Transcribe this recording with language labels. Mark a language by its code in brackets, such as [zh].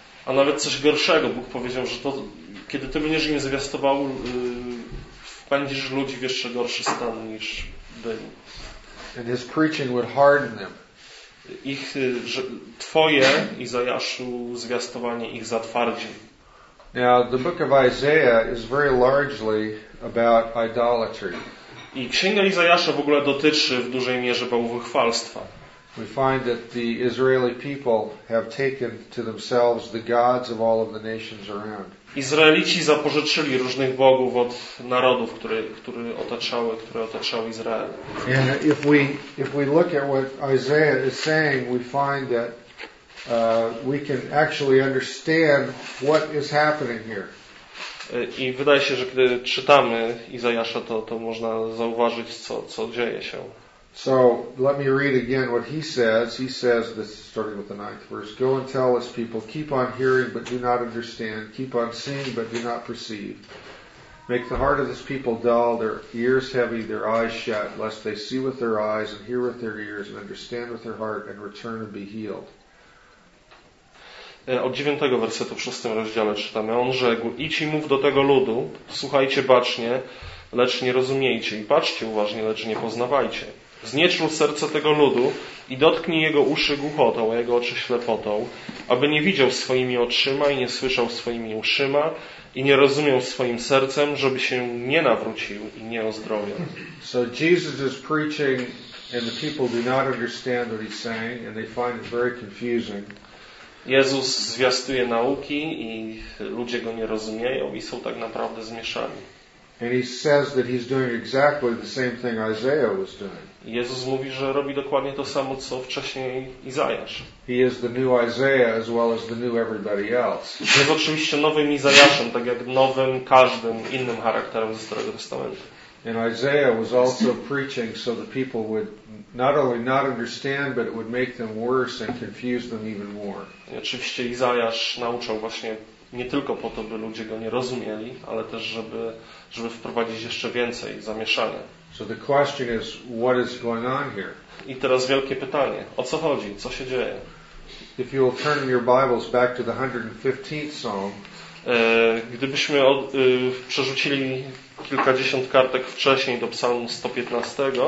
[pl] A nawet coś gorszego, Bóg powiedział, że to, kiedy ty będziesz im zwiastował, wpędzisz ludzi w jeszcze gorszy stan niż byli. [en] And his preaching would harden them. [pl] Ich, że, twoje, Izajaszu, zwiastowanie ich zatwardzi. [en] Now, the book of Isaiah is very largely about idolatry. [pl] I Księga Izajasza w ogóle dotyczy w dużej mierze bałwochwalstwa. [en] We find that the Israeli people have taken to themselves the gods of all of the nations around. [pl] Izraelici zapożyczyli różnych bogów od narodów, które otaczały Izrael. [en] And if we look at what Isaiah is saying, we find that we can actually understand what is happening here. [pl] I wydaje się, że kiedy czytamy Izajasza, to można zauważyć, co dzieje się. [en] So let me read again what he says. He says, this is starting with the 9th verse, go and tell his people, keep on hearing but do not understand, keep on seeing but do not perceive. Make the heart of this people dull, their ears heavy, their eyes shut, lest they see with their eyes and hear with their ears and understand with their heart and return and be healed. [pl] Od 9 wersetu w 6 rozdziale czytamy. On rzekł, idź i mów do tego ludu, słuchajcie bacznie, lecz nie rozumiejcie i patrzcie uważnie, lecz nie poznawajcie. Znieczul serce tego ludu i dotknij jego uszy głuchotą, a jego oczy ślepotą, aby nie widział swoimi oczyma i nie słyszał swoimi uszyma i nie rozumiał swoim sercem, żeby się nie nawrócił i nie ozdrowiał. [en] So Jesus is preaching and the people do not understand what he's saying and they find it very confusing. [pl] Jezus zwiastuje nauki i ludzie go nie rozumieją i są tak naprawdę zmieszani. [en] And he says that he's doing exactly the same thing Isaiah was doing. [pl] Jezus mówi, że robi dokładnie to samo, co wcześniej Izajasz. [en] He is the new Isaiah as well as the new everybody else. [pl] Jest oczywiście nowym Izajaszem, tak jak nowym każdym innym charakterem ze Starego Testamentu. [en] And Isaiah was also preaching so the people would not only not understand, but it would make them worse and confuse them even more. [pl] I oczywiście Izajasz nauczał właśnie nie tylko po to, by ludzie go nie rozumieli, ale też żeby wprowadzić jeszcze więcej zamieszania. [en] So the question is, what is going on here? [pl] I teraz wielkie pytanie. O co chodzi? Co się dzieje? [en] If you will turn your Bibles back to the 115th Psalm. [pl] Gdybyśmy przerzucili kilkadziesiąt kartek wcześniej do Psalmu 115,